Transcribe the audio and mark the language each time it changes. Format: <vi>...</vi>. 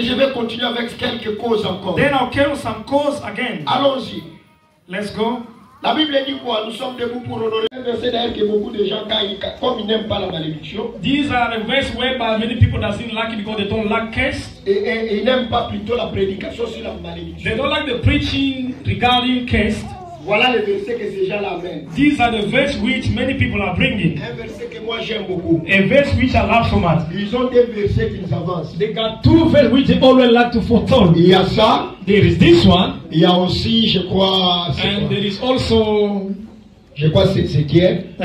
<fr>Et je vais continuer avec quelques causes encore.</fr> <en>Then I'll carry some causes again.</en> <fr>Allons-y.</fr> <en>Let's go.</en> <fr>La Bible dit quoi? Nous sommes debout pour honorer. Un verset d'ailleurs que beaucoup de gens caillent, comme ils n'aiment pas la malédiction.</fr> <en>These are the verses where by many people doesn't like it because they don't like curse.</en> <fr>Et ils n'aiment pas plutôt la prédication sur la malédiction.</fr> <en>They don't like the preaching regarding curse.</en> <fr>Voilà les versets que ces gens-là amènent.</fr> <en>These are the verses which many people are bringing.</en> <fr>Un verset que moi j'aime beaucoup.</fr> <en>A verse which I love so much.</en> <fr>Ils ont des versets qu'ils avancent.</fr> <en>They got two verses which they always like to foretell.</en> <fr>Il y a ça.</fr> <en>There is this one.</en> <fr>Il y a aussi, je crois.</fr> <en>And There is also.</en> <fr>Je crois c'est Ézéchiel.</fr>